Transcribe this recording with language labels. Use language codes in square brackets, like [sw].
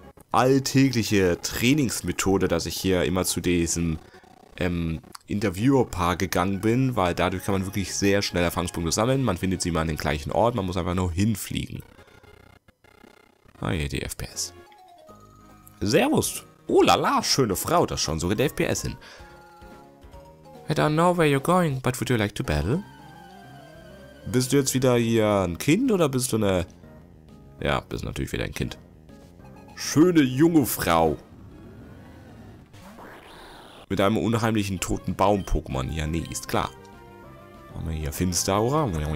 [de] alltägliche Trainingsmethode, dass ich hier immer zu diesem Interviewerpaar gegangen bin, weil dadurch kann man wirklich sehr schnell Erfahrungspunkte sammeln. Man findet sie immer an den gleichen Ort, man muss einfach nur hinfliegen. Ah je, die FPS. Servus! Oh lala, schöne Frau, das schon sogar der FPS hin. [en] I don't know where you're going, but would you like to battle? [de] Bist du jetzt wieder hier ein Kind oder bist du eine... Ja, bist natürlich wieder ein Kind. Schöne junge Frau. Mit einem unheimlichen toten Baum-Pokémon. Ja, nee, ist klar. Haben wir hier Finsteraura.